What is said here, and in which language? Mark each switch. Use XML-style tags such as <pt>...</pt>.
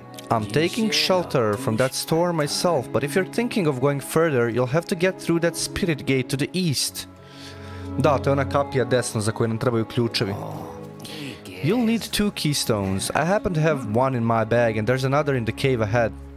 <en>I'm taking shelter from that storm myself, but if you're thinking of going further, you'll have to get through that spirit gate to the east.</en> <sr>Da, to je ona kapija desno za koju nam trebaju ključevi.</sr> <en>You'll need two keystones. I happen to have one in my bag, and there's another in the cave ahead.</en>